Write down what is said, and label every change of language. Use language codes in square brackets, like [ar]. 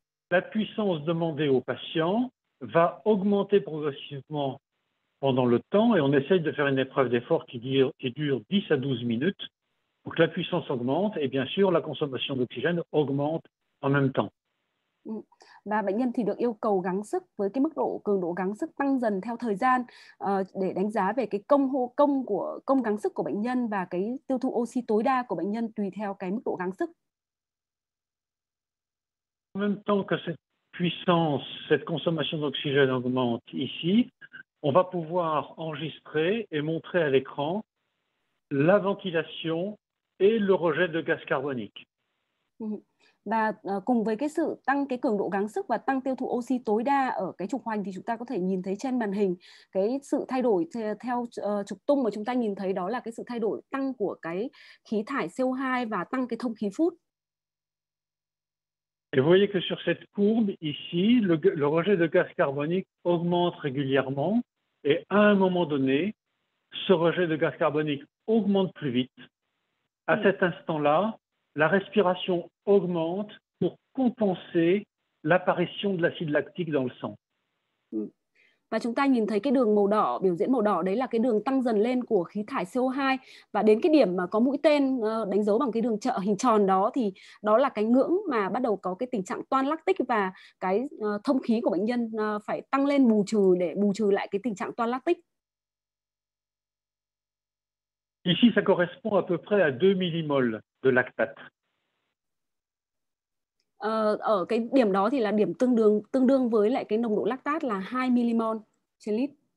[fr] La puissance demandée au patient va augmenter progressivement pendant le temps et on essaye de faire une épreuve d'effort qui dure 10 à 12 minutes. Donc la puissance augmente et bien sûr la consommation d'oxygène augmente en même temps. [vi] Và bệnh nhân thì được yêu cầu gắng sức với cái mức độ cường độ gắng sức tăng dần theo thời gian để đánh giá về cái công gắng sức của bệnh nhân và cái tiêu thụ oxy tối đa của bệnh nhân tùy theo cái mức độ gắng sức. [fr] En même temps que cette puissance, cette consommation d'oxygène augmente ici, on va pouvoir enregistrer et montrer à l'écran la ventilation et le rejet de gaz carbonique. [vi] Và cùng với cái sự tăng cái cường độ gắng sức và tăng tiêu thụ oxy tối đa ở cái trục hoành, thì chúng ta có thể nhìn thấy trên màn hình cái sự thay đổi theo trục tung, mà chúng ta nhìn thấy đó là cái sự thay đổi tăng của cái khí thải CO2 và tăng cái thông khí phút. [fr] Et vous voyez que sur cette courbe ici, le rejet de gaz carbonique augmente régulièrement et à un moment donné, ce rejet de gaz carbonique augmente plus vite. À cet instant-là, la respiration augmente pour compenser l'apparition de l'acide lactique dans le sang. [vi] Và chúng ta nhìn thấy cái đường màu đỏ, biểu diễn màu đỏ đấy là cái đường tăng dần lên của khí thải CO2. Và đến cái điểm mà có mũi tên đánh dấu bằng cái đường trợ hình tròn đó thì đó là cái ngưỡng mà bắt đầu có cái tình trạng toan lactic và cái thông khí của bệnh nhân phải tăng lên bù trừ để bù trừ lại cái tình trạng toan lactic. [fr] Ici, ça correspond à peu près à 2 millimoles de lactate. [vi] Ở cái điểm đó thì là điểm tương đương với lại cái nồng độ lactate là 2 millimol trên lít.